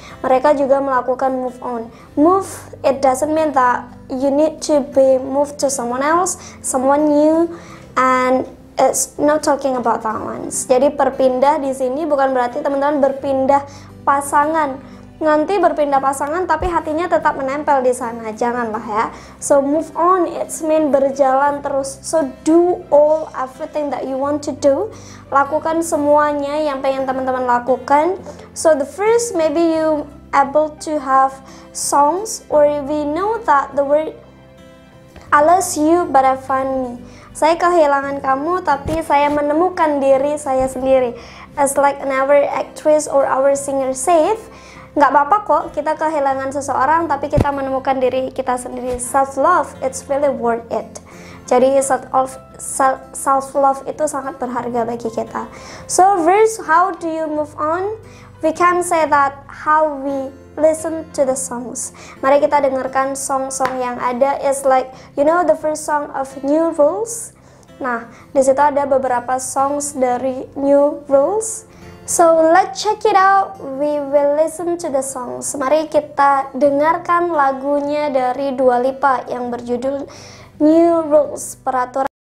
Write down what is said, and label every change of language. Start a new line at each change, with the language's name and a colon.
Indonesian: Mereka juga melakukan move on.
English: Move, it doesn't mean that you need to be moved to someone else, someone new, and it's not talking about that ones.
Indonesian: Jadi berpindah di sini bukan berarti teman-teman berpindah pasangan. Nanti berpindah pasangan tapi hatinya tetap menempel di sana. Janganlah ya.
English: So move on, it's mean
Indonesian: berjalan terus.
English: So do all everything that you want to do.
Indonesian: Lakukan semuanya yang pengen teman-teman lakukan.
English: So the first, maybe you able to have songs or we know that the word I lost you but I found me.
Indonesian: Saya kehilangan kamu, tapi saya menemukan diri saya sendiri.
English: As like another actress or our singer says,
Indonesian: gak apa-apa kok kita kehilangan seseorang, tapi kita menemukan diri kita sendiri.
English: Self-love, it's really worth it.
Indonesian: Jadi self-love itu sangat berharga bagi kita.
English: So, verse, how do you move on? We can say that how we listen to the songs.
Indonesian: Mari kita dengarkan song-song yang ada.
English: It's like, you know the first song of New Rules?
Indonesian: Nah, di situ ada beberapa songs dari New Rules.
English: So, let's check it out. We will listen to the songs.
Indonesian: Mari kita dengarkan lagunya dari Dua Lipa yang berjudul New Rules, Peraturan.